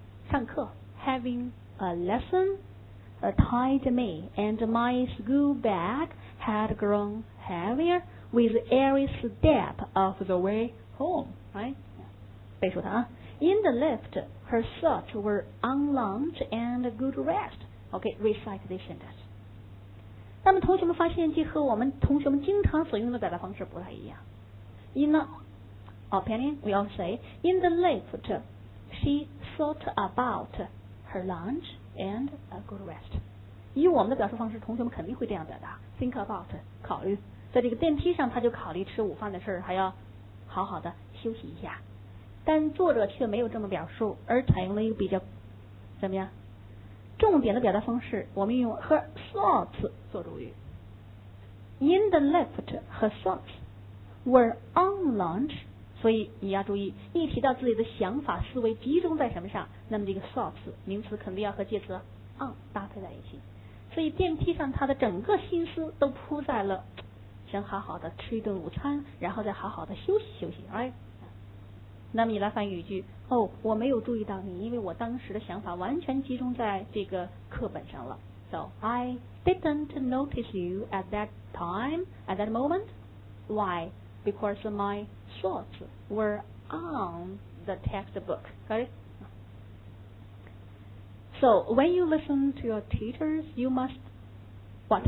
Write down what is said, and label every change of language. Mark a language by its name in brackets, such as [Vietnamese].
[Chinese] 上课 [English] ，having a lesson， a tired me and my school bag had grown heavier with every step of the way home。 Right， [Chinese] 背熟它啊。 [English] In the lift, her thoughts were on lunch and good rest. Okay, recite this sentence. [Chinese] 那么同学们发现，这和我们同学们经常所用的表达方式不太一样。 [English] In the opinion, we all say, in the lift, she thought about her lunch and a good rest. [Chinese] 以我们的表述方式，同学们肯定会这样表达 ： [English] think about， [Chinese] 考虑，在这个电梯上，他就考虑吃午饭的事儿，还要好好的休息一下。但作者却没有这么表述，而采用了一个比较怎么样重点的表达方式。我们用 [English] her thoughts [Chinese] 做主语。 [English] In the lift her thoughts were on lunch， [Chinese] 所以你要注意，一提到自己的想法思维集中在什么上，那么这个 thoughts 名词肯定要和介词 on 搭配在一起。所以电梯上他的整个心思都扑在了想好好的吃一顿午餐，然后再好好的休息休息。哎，那么你来翻译语句。哦，我没有注意到你，因为我当时的想法完全集中在这个课本上了。 [English] So I didn't notice you at that time, at that moment. Why? Because my thoughts were on the textbook. Got it? So when you listen to your teachers, you must what?